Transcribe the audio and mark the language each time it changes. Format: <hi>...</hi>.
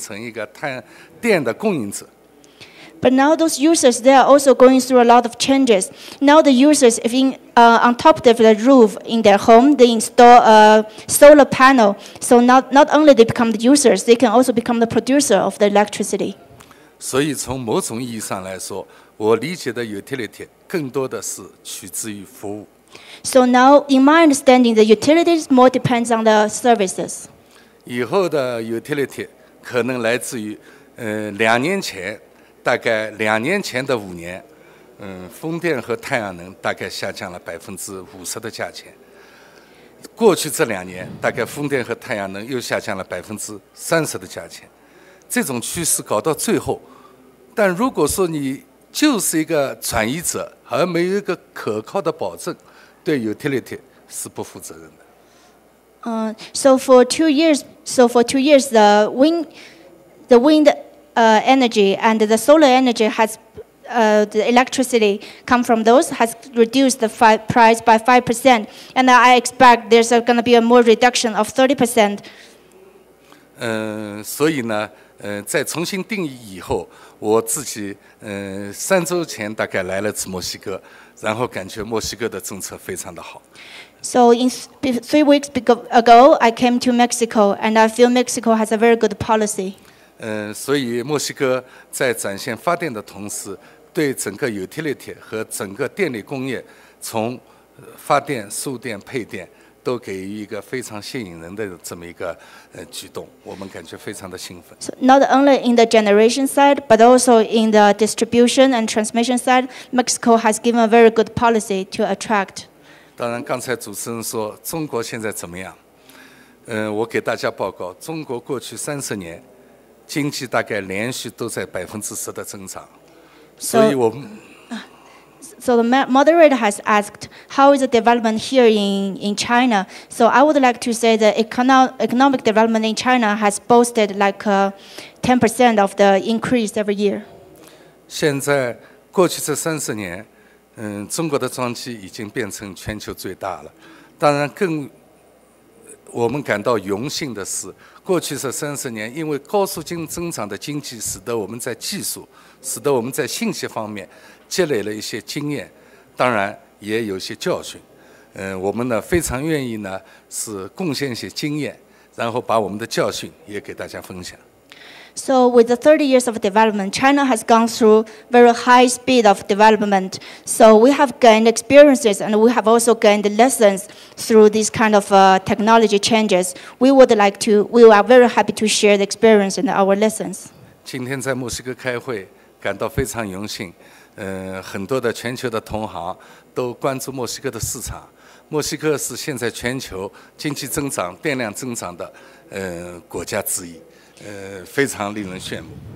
<zh>我原来在用电，如果我在家里面的屋顶上面安放了太阳能发电的装置，我也可能被变成一个电的供应者。</zh> <en>But now those users, they are also going through a lot of changes. Now the users, if in on top of the roof in their home, they install a solar panel. So not only they become the users, they can also become the producer of the electricity.</en> <zh>所以从某种意义上来说。我理解的 utility 更多的是取之于服务。</zh> <en>So now, in my understanding, the utilities more depends on the services.</en> <zh>以后的 utility 可能来自于，两年前，大概两年前的五年，风电和太阳能大概下降了50%的价钱。过去这两年，大概风电和太阳能又下降了30%的价钱。这种趋势搞到最后，但如果说你就是一个转移者，而没有一个可靠的保证，对 utility 是不负责任的。</zh> <en>So for two years, the wind energy and the solar energy has, the electricity come from those has reduced the price by 5%, and I expect there's going to be a more reduction of 30%.</en> <zh>所以呢，在重新定义以后，我自己，三周前大概来了次墨西哥，然后感觉墨西哥的政策非常的好。</zh> <en>So in three weeks ago, I came to Mexico, and I feel Mexico has a very good policy.</en> <zh>所以墨西哥在展现发电的同时，对整个 utility 和整个电力工业，从发电、输电、配电，都给予一个非常吸引人的这么一个举动，我们感觉非常的兴奋。</zh> <en>So not only in the generation side, but also in the distribution and transmission side, Mexico has given a very good policy to attract.</en> <zh>当然，刚才主持人说中国现在怎么样？我给大家报告，中国过去30年经济大概连续都在10%的增长，所以我们。</zh> <en>So the moderator has asked, how is the development here in China? So I would like to say the economic development in China has boasted like 10% of the increase every year.</en> <zh>现在过去这三四年，中国的装机已经变成全球最大了。当然更我们感到荣幸的是，过去这三四年因为高速增长的经济，使得我们在技术，使得我们在信息方面积累了一些经验，当然也有些教训。我们呢非常愿意呢是贡献一些经验，然后把我们的教训也给大家分享。</zh> <en>So with the 30 years of development, China has gone through very high speed of development. So we have gained experiences and we have also gained lessons through these kind of technology changes. We are very happy to share the experience and our lessons.</en> <zh>今天在墨西哥开会，感到非常荣幸。很多的全球的同行都关注墨西哥的市场。墨西哥是现在全球经济增长、电量增长的国家之一，非常令人羡慕。</zh>